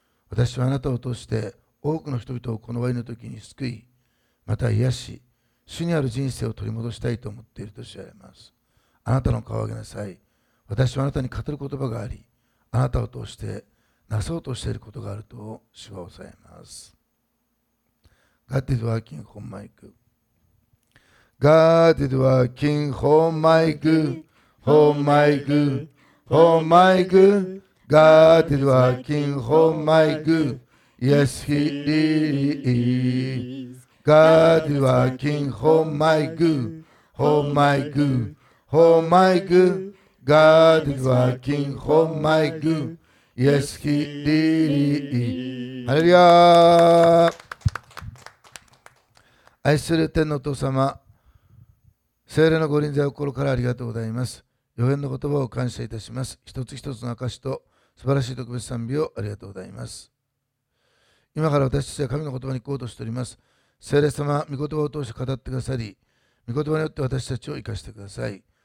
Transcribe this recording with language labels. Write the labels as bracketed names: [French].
[Japanese] 私はあなたを通して多くの人々をこの終わりの時に救い、また癒し、主にある人生を取り戻したいと思っていると知られます。あなたの顔を上げなさい。私はあなたに語る言葉があり、あなたを通してなそうとしていることがあると主は抑えます。 [English] God is working on my good。 God is working for my good, for my good, for my good. God is working for my good, yes He is. God is working for my good, for my good, for my good. God is working for my good, yes He is. [Japanese] ハレルヤ。愛する天のお父様、聖霊の御臨在を心からありがとうございます。予言の言葉を感謝いたします。一つ一つの証と素晴らしい特別賛美をありがとうございます。今から私たちは神の言葉に行こうとしております。聖霊様、御言葉を通して語ってくださり、御言葉によって私たちを生かしてください。